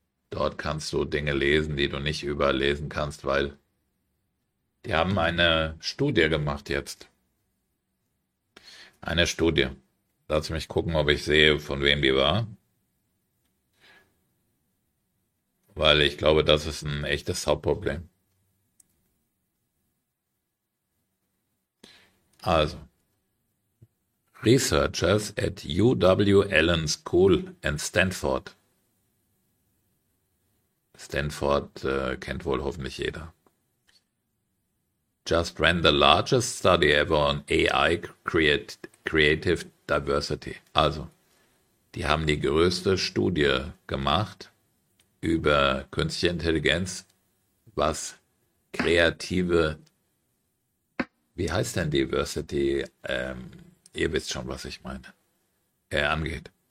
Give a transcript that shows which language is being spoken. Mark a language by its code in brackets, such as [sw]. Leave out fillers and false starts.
[de] Dort kannst du Dinge lesen, die du nicht überlesen kannst, weil die haben eine Studie gemacht jetzt. Eine Studie. Lass mich gucken, ob ich sehe, von wem die war. Weil ich glaube, das ist ein echtes Hauptproblem. [en] Also, Researchers at UW Allen School in Stanford. [de] Stanford kennt wohl hoffentlich jeder. [en] Just ran the largest study ever on AI creative diversity. [de] Also, die haben die größte Studie gemacht über künstliche Intelligenz, was kreative, wie heißt denn Diversity, ihr wisst schon, was ich meine, angeht.